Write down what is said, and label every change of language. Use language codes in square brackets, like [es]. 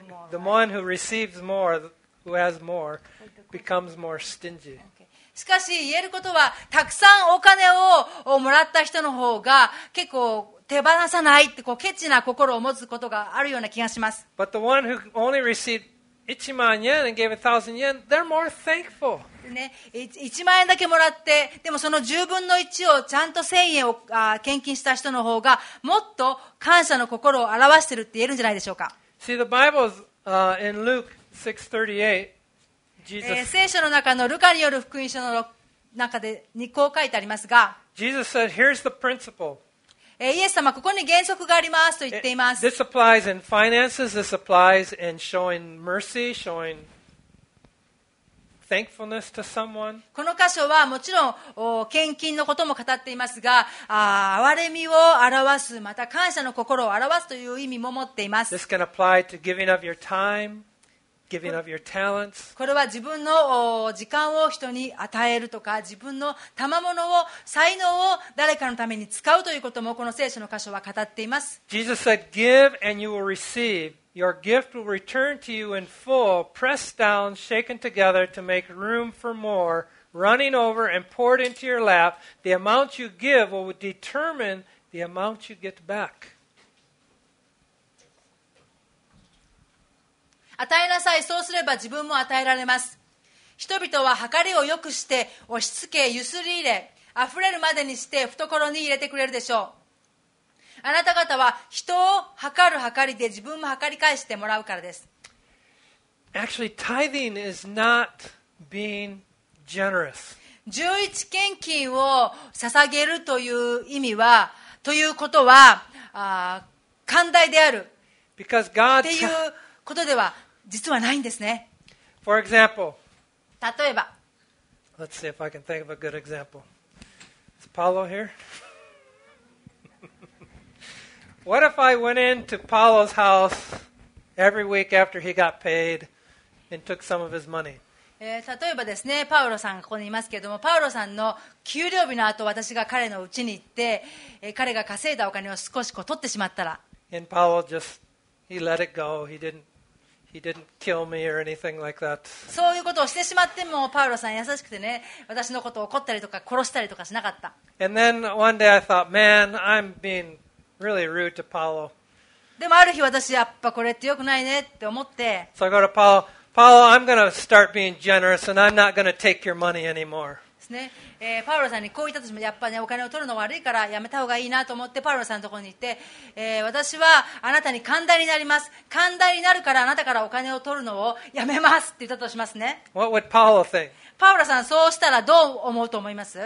[en] The one who receives more, who has more, becomes more stingy. [ja] しかし言えることは、たくさんお金をもらった人の方が結構手放さないってこうケチな心を持つことがあるような気がします。 [en] But the one who only received 1万円 and gave 1000円 they're more thankful、 [ja] ね、1万円だけもらってでもその10分の1をちゃんと1000円を献金した人の方がもっと感謝の心を表してるって言えるんじゃないでしょうか。 [en] See the Bible's、in Luke 6:38 Jesus、 [ja] 聖書の中のルカによる福音書の中でにこう書いてありますが [en] Jesus said here's the principle [ja] イエス様ここに原則がありますと言っています。 [en] This applies in finances, this applies in showing mercy, showing thankfulness to someone. [ja] この箇所はもちろん献金のことも語っていますが憐れみを表すまた感謝の心を表すという意味も持っています。 [en] This can apply to giving of your time, giving of your talents. [ja] これは自分の時間を人に与えるとか自分の賜物を才能を誰かのために使うということもこの聖書の箇所は語っています。 [en] Jesus said, give and you will receive. Your gift will return to you in full, pressed down, shaken together to make room for more, running over and poured into your lap. The amount you give will determine the amount you get back. [ja] 与えなさい、そうすれば自分も与えられます。人々は計りを良くして押し付け、ゆすり入れ、あふれるまでにして懐に入れてくれるでしょう。あなた方は人を計る計りで自分も計り返してもらうからです。 [en] Actually, tithing is not being generous. [ja] 十一献金を捧げるという意味は、ということは、寛大である。 [en] Because God [ja] っていうことでは実はないんですね。 [en] For example, [ja] 例えば、 [en] Let's see if I can think of a good example. Is Paulo here? What if I went into Paulo's house every week after he got paid and took some of his money? [ja] 例えばですね、パウロさんがここにいますけれども、パウロさんの給料日の後、私が彼の家に行って、彼が稼いだお金を少しこう取ってしまったら、 [en] And Paulo just he let it go. He didn't. He didn't kill me or anything like that. [ja] そういうことをしてしまってもパウロさん優しくてね私のことを怒ったりとか殺したりとかしなかった。 [en] And then one day I thought, man, I'm being really rude to Paulo. [ja] でもある日私やっぱこれって良くないねって思って [en] So I go to Paulo, Paulo, I'm going to start being generous and I'm not going to take your money anymore. [ja] ですね、パウロさんにこう言ったとしてもやっぱねお金を取るの悪いからやめた方がいいなと思ってパウロさんのところに行って、私はあなたに寛大になります、寛大になるからあなたからお金を取るのをやめますって言ったとしますね。 [en] What would Paulo think? [ja] パウロさんそうしたらどう思うと思います？